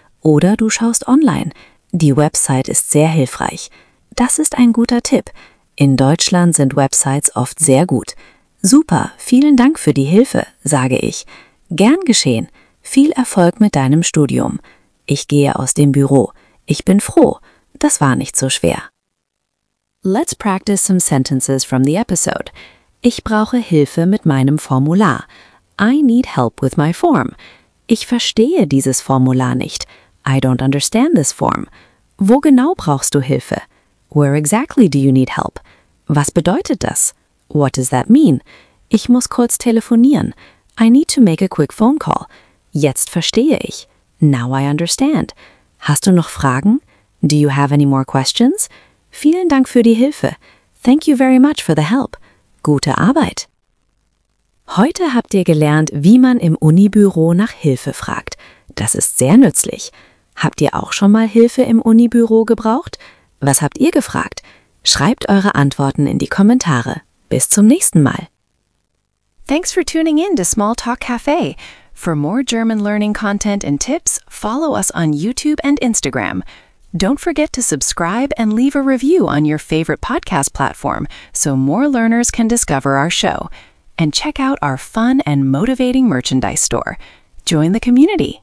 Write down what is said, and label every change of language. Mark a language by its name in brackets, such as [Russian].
[German] Oder du schaust online. Die Website ist sehr hilfreich. Das ist ein guter Tipp. In Deutschland sind Websites oft sehr gut. Super, vielen Dank für die Hilfe, sage ich. Gern geschehen. Viel Erfolg mit deinem Studium. Ich gehe aus dem Büro. Ich bin froh. Das war nicht so schwer. [English] Let's practice some sentences from the episode. [German] Ich brauche Hilfe mit meinem Formular. [English] I need help with my form. [German] Ich verstehe dieses Formular nicht. [English] I don't understand this form. [German] Wo genau brauchst du Hilfe? [English] Where exactly do you need help? [German] Was bedeutet das? [English] What does that mean? [German] Ich muss kurz telefonieren. [English] I need to make a quick phone call. [German] Jetzt verstehe ich. [English] Now I understand. [German] Hast du noch Fragen? [English] Do you have any more questions? [German] Vielen Dank für die Hilfe. [English] Thank you very much for the help. [German] Gute Arbeit. Heute habt ihr gelernt, wie man im Unibüro nach Hilfe fragt. Das ist sehr nützlich. Habt ihr auch schon mal Hilfe im Unibüro gebraucht? Was habt ihr gefragt? Schreibt eure Antworten in die Kommentare. Bis zum nächsten Mal. [English] Thanks for tuning in to Small Talk Cafe. For more German learning content and tips, follow us on YouTube and Instagram. Don't forget to subscribe and leave a review on your favorite podcast platform so more learners can discover our show. And check out our fun and motivating merchandise store. Join the community!